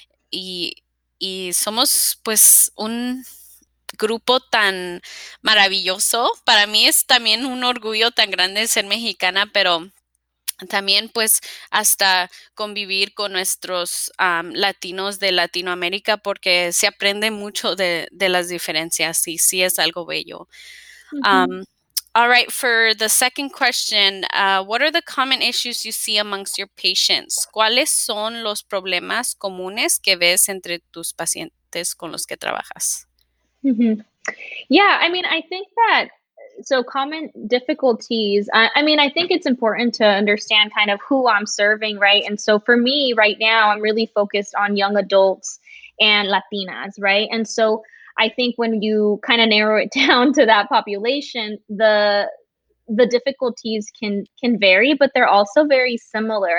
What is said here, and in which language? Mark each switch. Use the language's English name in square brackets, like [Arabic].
[Spanish] Y somos pues un grupo tan maravilloso. Para mí es también un orgullo tan grande ser mexicana, pero también pues hasta convivir con nuestros latinos de Latinoamérica porque se aprende mucho de las diferencias y sí es algo bello. [English] All right, for the second question, what are the common issues you see amongst your patients? [Spanish] ¿Cuáles son los problemas comunes que ves entre tus pacientes con los que trabajas? [English] Yeah, I mean, I think that so common difficulties, I mean, I think it's important to understand kind of who I'm serving, right? And so for me right now, I'm really focused on young adults and Latinas, right? And so I think when you kind of narrow it down to that population, the difficulties can vary, but they're also very similar.